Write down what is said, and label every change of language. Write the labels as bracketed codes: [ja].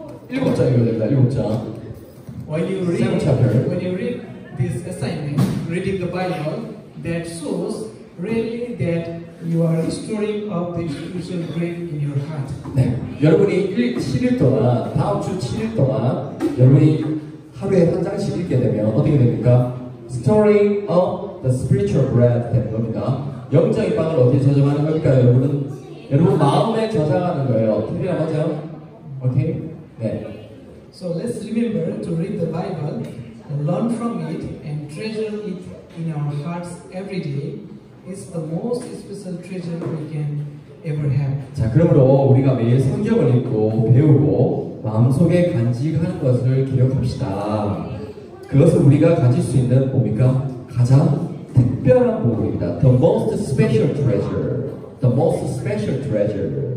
[ko] 일곱 장 읽어야 된다, 일곱 장. [en] When you read this assignment, reading the Bible that shows really that you are storing up the spiritual grain in your heart. [ko] 네, 여러분이 7일 동안 다음 주 7일 동안 여러분이 하루에 한 장씩 읽게 되면 어떻게 됩니까? [en] Storing up the spiritual bread [ko] 되는 겁니다. 영적인 빵을 어디에 저장하는 걸까요, 여러분은? 여러분 마음에 저장하는 거예요. 틀리나 맞아요? 오케이? 네. [en] So let's remember to read the Bible, learn from it, and treasure it in our hearts every day. It's the most special treasure we can ever have. [ko] 자, 그러므로 우리가 매일 성경을 읽고 배우고 마음속에 간직하는 것을 기억합시다. 그것은 우리가 가질 수 있는 뭡니까? 가장 특별한 보물입니다. [en] The most special treasure. The most special treasure.